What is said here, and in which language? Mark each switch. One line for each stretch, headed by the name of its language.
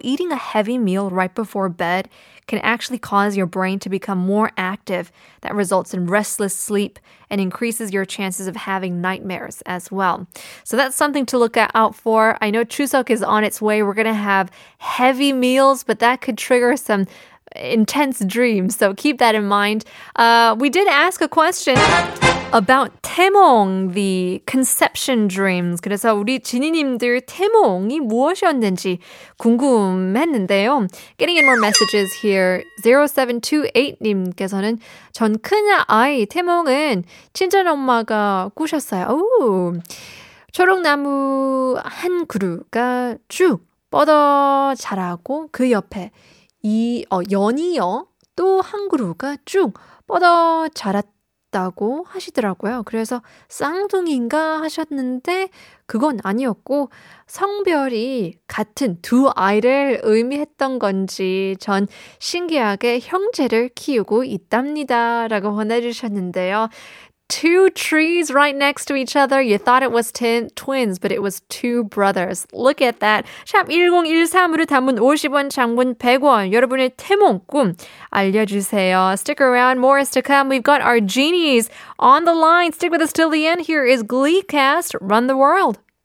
English: Eating a heavy meal right before bed can actually cause your brain to become more active. That results in restless sleep and increases your chances of having nightmares as well. So that's something to look out for. I know Chuseok is on its way. We're going to have heavy meals, but that could trigger some intense dreams. So keep that in mind. We did ask a question about 태몽, the conception dreams.
Korean: 그래서 우리 지니님들 태몽이 무엇이었는지 궁금했는데요.
English: Getting in more messages here.
Korean: 0728님께서는 전 큰 아이 태몽은 친정엄마가 꾸셨어요. 오, 초록나무 한 그루가 쭉 뻗어 자라고 그 옆에 연이어 또 한 그루가 쭉 뻗어 자랐 다고 하시더라고요. 그래서 쌍둥이인가 하셨는데 그건 아니었고 성별이 같은 두 아이를 의미했던 건지 전 신기하게 형제를 키우고 있답니다라고 보내주셨는데요.
English: two trees right next to each other. You thought it was twins, but it was two brothers. Look at that.
Korean: 샵 1013으로 담은 50원 장문 100원. 여러분의 태몽 꿈 알려주세요.
English: Stick around. More is to come. We've got our genies on the line. Stick with us till the end. Here is Glee Cast, Run the World.